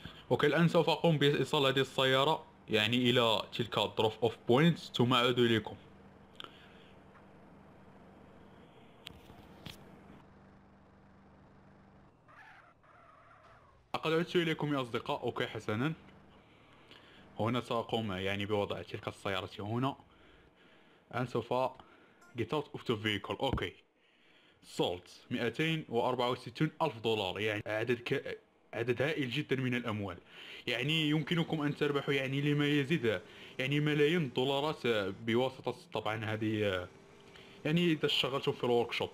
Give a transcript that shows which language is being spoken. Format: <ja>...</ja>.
<ar>اوكي الان سوف اقوم بايصال هذه السياره يعني الى تلك الدروب اوف بوينت ثم اعود اليكم. لقد عدت اليكم يا اصدقاء. اوكي حسنا هنا ساقوم يعني بوضع تلك السياره هنا. الان سوف</ar> <en>get out of the vehicle.</en> <ar>اوكي سولت 264 الف دولار، يعني عدد هائل جدا من الاموال. يعني يمكنكم ان تربحوا يعني لما يزيد يعني ملايين دولارات بواسطة طبعا هذه يعني اذا اشتغلتم في الوركشوب.</ar>